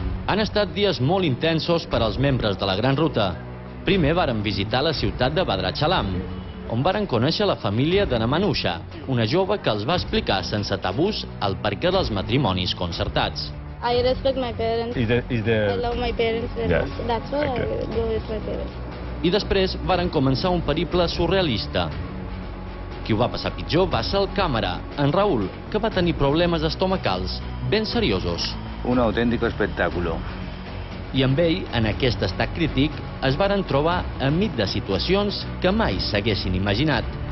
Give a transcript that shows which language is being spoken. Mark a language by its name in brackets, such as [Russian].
[Catalan] Han estat dies molt intensos per als membres de la Gran Ruta. Primer varen visitar la ciutat de Bhadrachalam, on varen conèixer la família de Namanusha, una jove que els va explicar sense tabús el perquè dels matrimonis concertats. [English] I respect my parents. I love my parents. Yes. That's what I do with my parents. [Catalan] I després varen començar un periple surrealista. Qui ho va passar pitjor va ser el càmera, en Raül, que va tenir problemes estomacals ben seriosos. Un autèntic espectáculo. I amb ell, en aquest estat crític, es varen trobar enmig de situacions que mai s'haguessin imaginat.